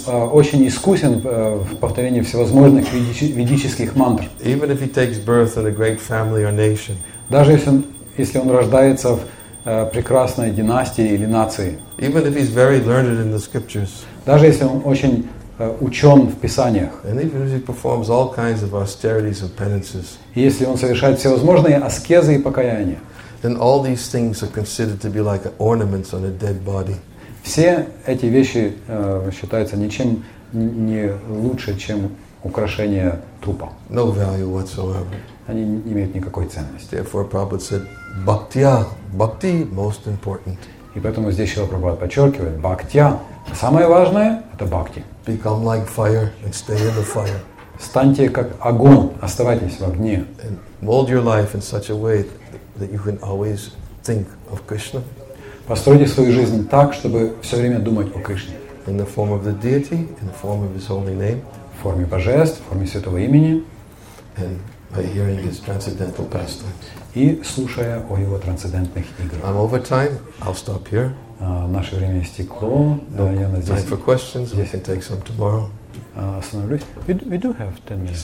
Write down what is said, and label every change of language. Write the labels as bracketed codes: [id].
[ru] если он очень искусен в повторении всевозможных ведических мантр, [en] even if he takes birth in a great family or nation, [ru] даже если он рождается в прекрасной династии или нации, [en] even if he's very learned in the scriptures, [ru] даже если он очень учен в писаниях, [en] and even if he performs all kinds of austerities and penances, [ru] и если он совершает всевозможные аскезы и покаяния, [en] then all these things are considered to be like ornaments on a dead body. [ru] Все эти вещи считаются ничем не лучше, чем украшение трупа. [en] No value whatsoever. [ru] Они не имеют никакой ценности. [en] Therefore, Prabhupada said, "Bhaktiya, bhakti most important." [ru] И поэтому здесь Шрила Прабхупада подчеркивает, бхактия самое важное — это бхакти. [en] Become like fire and stay in the fire. [ru] Станьте как огонь, оставайтесь в огне. [en] And mold your life in such a way that you can always think of Krishna. [ru] Постройте свою жизнь так, чтобы все время думать о Кришне. [en] In the form of the deity, in the form of His holy name. [ru] В форме божеств, в форме святого имени. [en] And by hearing His transcendental pastimes. [ru] И слушая о его трансцендентных играх. [en] I'm over time. I'll stop here. [ru] Наше время истекло. [en] Time for questions. We can take some tomorrow. [ru] Остановлюсь. [en] We do have 10 minutes.